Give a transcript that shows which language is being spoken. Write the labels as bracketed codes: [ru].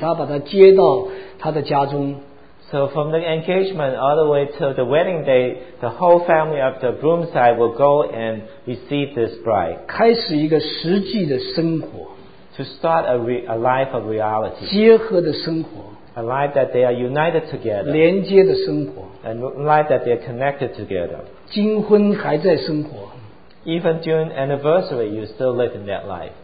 [zh] 所以在这个从订婚到结婚到结婚的那一天，然后新郎就全家出动到新郎新娘的家里面去迎娶他，把他接到他的家中。 [en] So from the engagement all the way to the wedding day, the whole family of the groom side will go and receive this bride. [zh] 开始一个实际的生活。 [en] To start a life of reality. [zh] 结合的生活。 [en] A life that they are united together. [zh] 连接的生活。 [en] A life that they are connected together. [zh] 金婚还在生活。 [en] Even during anniversary, you still live in that life.